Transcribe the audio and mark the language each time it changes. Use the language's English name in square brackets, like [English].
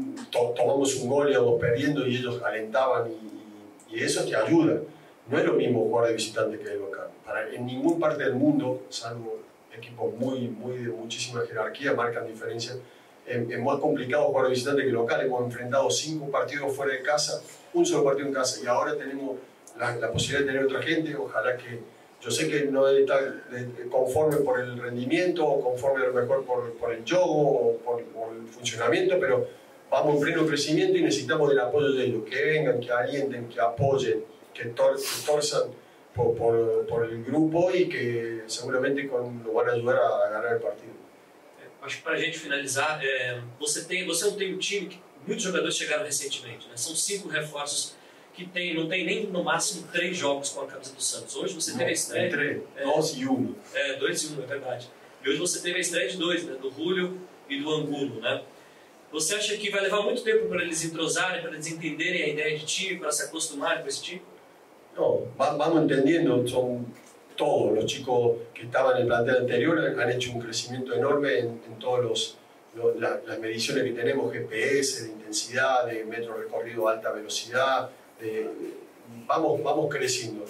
[Portuguese] Tomamos um gol e íamos perdendo e eles alentavam. E isso te ajuda. Não é o mesmo jogar de visitante que de local. Em nenhuma parte do mundo, salvo [Spanish] equipos muy de muchísima jerarquía, marcan diferencia. Es más complicado jugar de visitante que local. Hemos enfrentado 5 partidos fuera de casa, un solo partido en casa, y ahora tenemos la posibilidad de tener otra gente. Ojalá que. Yo sé que no está conforme por el rendimiento, o conforme a lo mejor por el juego, o por el funcionamiento, pero vamos en pleno crecimiento y necesitamos del apoyo de ellos. Que vengan, que alienten, que apoyen, que torzan. Por el grupo y que seguramente nos van a ayudar a ganar el partido. [Portuguese] Acho que para a gente finalizar, você não tem um time que muitos jogadores chegaram recentemente, né? São 5 reforços que tem, não tem nem no máximo 3 jogos com a camisa do Santos. Hoje você teve a estreia. 2 e 1. 2 e 1, é verdade. E hoje você teve a estreia de 2, né? Do Julio e do Angulo, né? Você acha que vai levar muito tempo para eles entrosarem, para eles entenderem a ideia de time, para se acostumarem com esse time? [Spanish] No, vamos entendiendo, son todos los chicos que estaban en el plantel anterior, han hecho un crecimiento enorme en todas las mediciones que tenemos, GPS, de intensidad, de metro recorrido a alta velocidad, vamos creciendo.